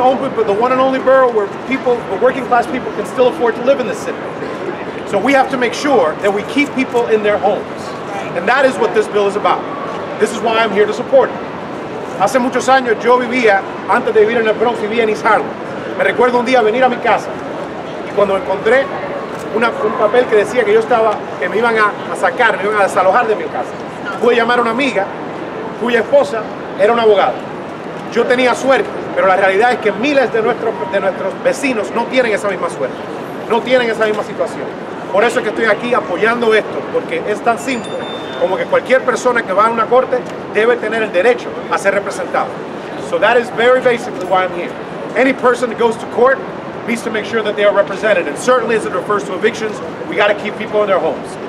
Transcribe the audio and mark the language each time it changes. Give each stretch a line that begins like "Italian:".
English: The working class people can still afford to live in the city. So we have to make sure that we keep people in their homes. And that is what this bill is about. This is why I'm here to support it.
Spanish: Hace muchos años yo vivía, antes de vivir en el Bronx, vivía en East Harlem. Me recuerdo un día venir a mi casa y cuando encontré un papel que decía que yo estaba, que me iban a sacar, me iban a desalojar de mi casa. Pude llamar a una amiga cuya esposa era una abogada. Yo tenía suerte, pero la realidad es que miles de nuestros vecinos no tienen esa misma suerte, no tienen esa misma situación. Por eso es que estoy aquí apoyando esto, porque es tan simple como que cualquier persona que va a una corte debe tener el derecho a ser representado.
English: So that is very basically why I'm here. Any person that goes to court needs to make sure that they are represented. And certainly as it refers to evictions, we got to keep people in their homes.